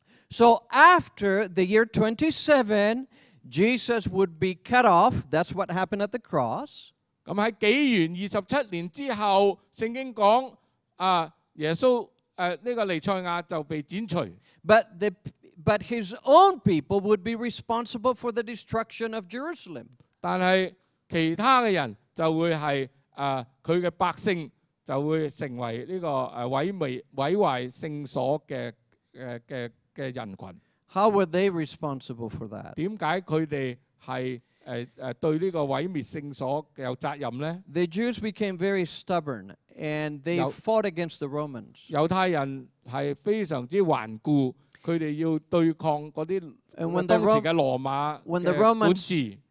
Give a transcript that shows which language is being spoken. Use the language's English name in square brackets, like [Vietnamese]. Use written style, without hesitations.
[English] So after the year 27, Jesus would be cut off. That's what happened at the cross. [Cantonese] 咁喺紀元二十七年之後，聖經講耶穌呢個尼賽亞就被剪除。 [English] But his own people would be responsible for the destruction of Jerusalem. [Cantonese] 但係其他嘅人就會係佢嘅百姓。就會成為呢個毀壞聖所嘅人群。 [English] How were they responsible for that？ [Cantonese] 點解佢哋係對呢個毀滅聖所有責任咧 [English] ？The Jews became very stubborn and they fought against the Romans。 [Cantonese] 猶太人係非常之頑固，佢哋要對抗嗰啲當時嘅羅馬嘅管治。